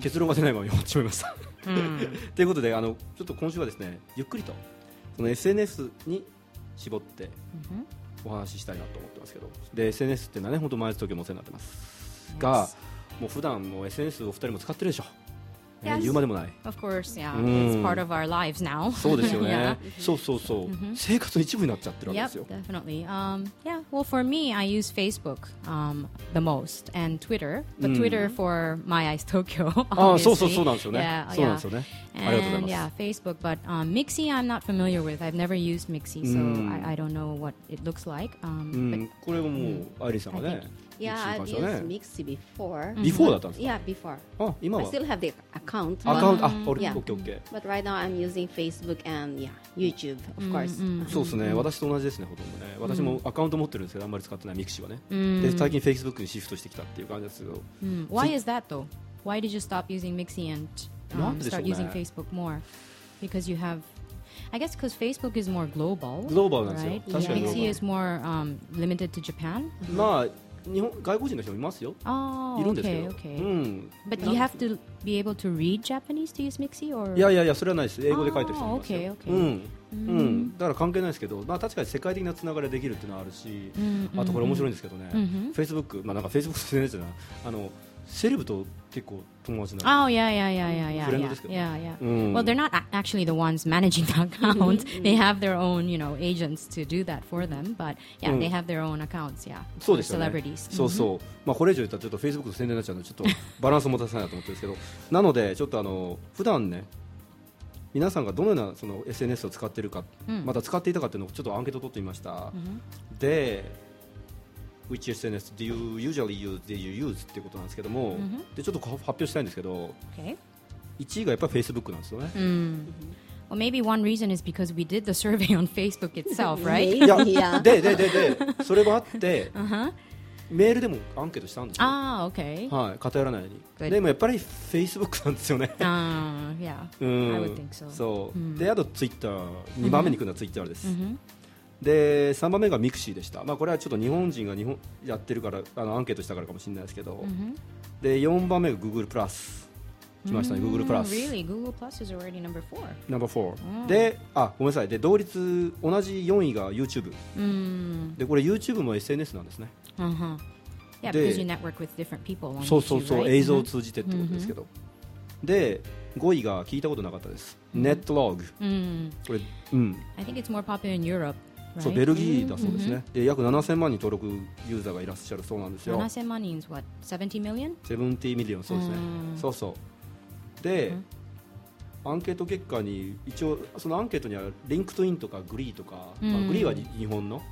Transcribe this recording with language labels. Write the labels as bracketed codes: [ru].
[ja] 結論が出ないまま終わってしまいましたと、うん、いうことで、ちょっと今週はですね、ゆっくりとその SNS に絞ってお話ししたいなと思ってますけど、で SNS っていうのはね、本当毎日時計もお世話になってますが、もう普段もう SNS お二人も使ってるでしょ、 [en] yes. [ja] 言うまでもない。 [en] Of course, yeah, it's part of our lives now. [ja] そうですよね、そうそうそう、生活の一部になっちゃってるわけですよ。 [en] Yep, definitely. Yeah, well for me, I use Facebook the most and Twitter, but Twitter for My Eyes Tokyo, obviously. [ja] あ、そうそうそうなんですよね、 [en] yeah, [ja] そうなんですよね、 [en] And yeah, Facebook, but Mixi I'm not familiar with. I've never used Mixi, so I don't know what it looks like. [ja] これももうアイリーさんがね、 [en] Yeah, I've used Mixi before. [ja] Before だったんですか? [en] Yeah, before. [ja] あ、今は? [en] I still have the account. [ja] Account? あ、オッケーオッケ [en] ー。 But right now I'm using Facebook and yeah, YouTube, of course. [ja] そうですね、私と同じですね、ほとんどね。私もアカウント持ってるんですけど、あんまり使ってない Mixi はね。で、最近 Facebook にシフトしてきたっていう感じですけど。 [en] Why is that though? Why did you stop using Mixi and start using Facebook more? Because you have... I guess because Facebook is more global. [ja] Global なんですよ。確かに。 [en] Mixi is more limited to Japan. [ja] まあ、日本外国人の人もいますよ。いるんですけど。 [en] Okay, okay. うん、But you have to be able to read Japanese to use Mixi or? [ja] いやいやいや、それはないです。英語で書いてる人もいますよ。 [en] Okay, okay. [ja] うん。うんうん、だから関係ないですけど、まあ、確かに世界的なつながりができるっていうのはあるし、うんうん、あとこれ面白いんですけどね、うんうん、Facebook、まあ、なんか Facebook って言ってないですよね、セレブと結構友達なんです [en] けど、oh, yeah, yeah, yeah, yeah, yeah, [ja] フレンドですけど、 [en] yeah, yeah. うん、Well, they're not actually the ones managing the account. They have their own, you know, agents to do that for them. But yeah, they have their own accounts, yeah. [ja] そうですよね、celebrities. そうそう、まあ、これ以上言ったらちょっと Facebook と宣伝になっちゃうのでちょっとバランスを持たせないなと思ってるんですけど、なのでちょっとあの普段ね皆さんがどのようなその SNS を使っているか、うん、また使っていたかというのをちょっとアンケートを取ってみました、うん、で [en] Which SNS do you usually use? Do you use? [ja] っていうことなんですけども、うん、でちょっと発表したいんですけど、 [en] okay. 1 [ja] 位がやっぱり Facebook なんですよね、 [en] うん、Well, maybe one reason is because we did the survey on Facebook itself, right? [ja] いや、でそれもあって、 [en] uh-huh. [ja] メールでもアンケートしたんですよ、 [en] ah, okay. [ja] はい、偏らないように、Good. でもやっぱり Facebook なんですよね、 [en] Yeah, I would think so. [ja] そう、うん、であとツイッター2番目に来るのはツイッターです、うん、で3番目がミクシーでした、まあ、これはちょっと日本人が日本やってるからあのアンケートしたからかもしれないですけど、うん、で4番目が Google Plus 来ましたね、うん、Google Plus [en] Really? Google Plus is already number 4 [ja] Number 4、うん、であごめんなさいで同率同じ4位が YouTube、うん、でこれ YouTube も SNS なんですね、 [en] uh-huh. Yeah, because you network with different people [ja] そうそうそう、 [en] right? [ja] 映像を通じてってことですけど、うん、で5位が聞いたことなかったです。うん、ネットログ、うん。 [en] I think it's more popular in Europe, right? [ja] そう、ベルギーだそうですね。で、約7000万人登録ユーザーがいらっしゃるそうなんですよ。 [en] 7000万人 is what? 70 million? [ja] 70 million、そうですね。そうそう。で、うん、アンケート結果に、一応、そのアンケートには、リンクトインとかグリーとか、うんまあ、グリーは日本の、